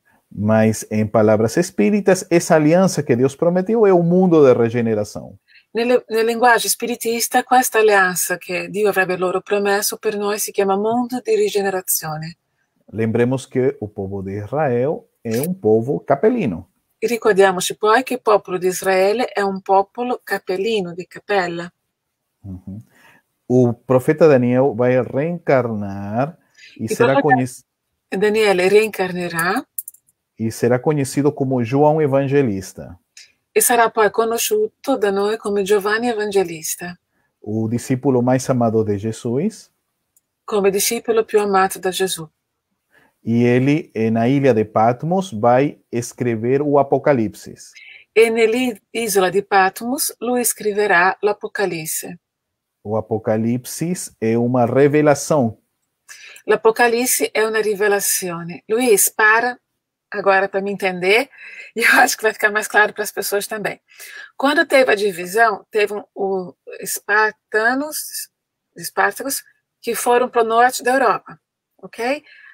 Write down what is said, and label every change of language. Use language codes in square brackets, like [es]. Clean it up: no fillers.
[pt] Mas em palavras espíritas, essa aliança que Deus prometeu é o mundo da regeneração. [it] Nel linguaggio spiritista, questa alleanza che Dio avrebbe loro promesso per noi si chiama mondo di rigenerazione. [pt] Lembremos que o povo de Israel é um povo capelino. [it] E ricordiamoci poi che il popolo di Israele è un popolo capelino, di cappella. [pt] O profeta Daniel vai reencarnar e será conhecido. Daniel reencarnará e será conhecido como João Evangelista. [it] E será poi conosciuto da noi come Giovanni Evangelista. [pt] O discípulo mais amado de Jesus. [it] Come discípulo più amato da Gesù. [pt] E ele, na ilha de Patmos, vai escrever o Apocalipse. [it] E nell'isola di Patmos, lui scriverà l'Apocalisse. [pt] O Apocalipse é uma revelação. L'Apocalisse é uma revelação. Luiz, para agora para me entender, e eu acho que vai ficar mais claro para as pessoas também. Quando teve a divisão, teve os espartanos, espartacos, que foram para o norte da Europa, ok?